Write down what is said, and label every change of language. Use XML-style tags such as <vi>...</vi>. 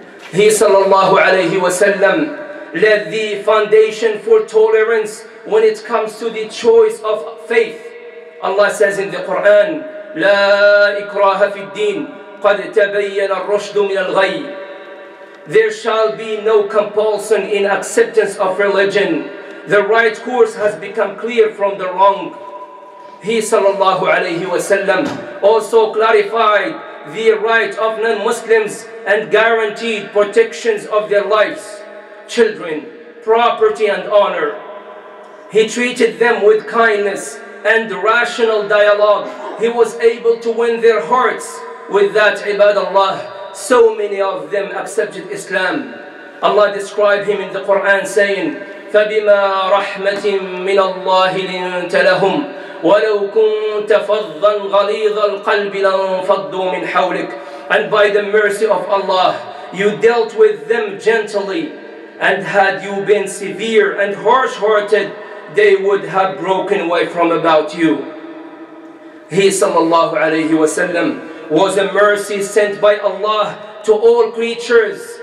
<en>He sallallahu alayhi wa sallam led the foundation for tolerance when it comes to the choice of faith. Allah says in the Quran,</en> <ar>لا إكراه في الدين قد تبين الرشد من الغي.</ar> <en>There shall be no compulsion in acceptance of religion. The right course has become clear from the wrong. He sallallahu alayhi wa sallam also clarified the right of non-Muslims and guaranteed protections of their lives, children, property and honor. He treated them with kindness and rational dialogue. He was able to win their hearts with that ibadallah. So many of them accepted Islam. Allah described him in the Quran saying,</en> <ar>فَبِمَا رَحْمَةٍ مِّنَ اللَّهِ لِنْتَ لَهُمْ وَلَوْ كُنْتَ فَضًّا غَلِيظَ الْقَلْبِ لَنْفَضُّوا مِنْ حَوْلِكَ.</ar> <en>And by the mercy of Allah, you dealt with them gently, and had you been severe and harsh-hearted, they would have broken away from about you. He sallallahu alayhi wa sallam was a mercy sent by Allah to all creatures.</en>